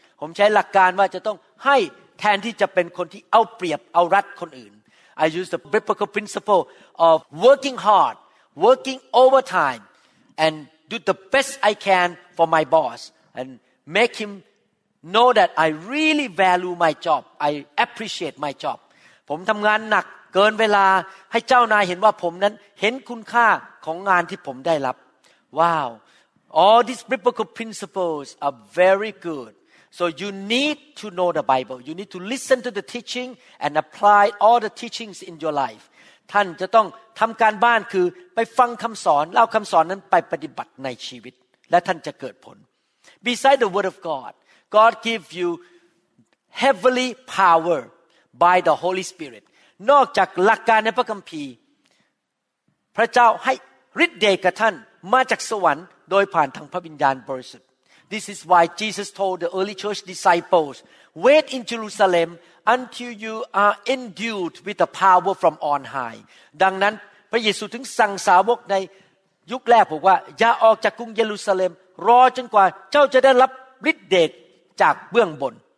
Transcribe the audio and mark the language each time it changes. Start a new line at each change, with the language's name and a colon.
Thai: ผมใช้หลักการว่าจะต้องให้แทนที่จะเป็นคนที่เอาเปรียบเอารัดคนอื่น
English: I use the biblical principle of working hard, working overtime, and do the best I can for my boss and make him know that I really value my job. I appreciate my job.
Thai: ผมทำงานหนักเกินเวลาให้เจ้านายเห็นว่าผมนั้นเห็นคุณค่าของงานที่ผมได้รับ
English: Wow, all these biblical principles are very good. So you need to know the Bible. You need to listen to the teaching and apply all the teachings in your life.
Thai: ท่านจะต้องทำการบ้านคือไปฟังคำสอนแล้วคำสอนนั้นไปปฏิบัติในชีวิตและท่านจะเกิดผล
English: Beside the Word of God, God give you heavenly power by the Holy Spirit.
Thai: นอกจากหลักการในพระคัมภีร์พระเจ้าให้ฤทธิ์เดชกับท่านมาจากสวรรค์โดยผ่านทางพระวิญญาณบริสุทธิ์
English: This is why Jesus told the early church disciples wait in Jerusalem until you are endued with the power from on high
Thai: ดังนั้นพระเยซูถึงสั่งสาวกในยุคแรกบอกว่าอย่าออกจากกรุงเยรูซาเล็มรอจนกว่าเจ้าจะได้รับฤทธิ์เดชจากเบื้องบน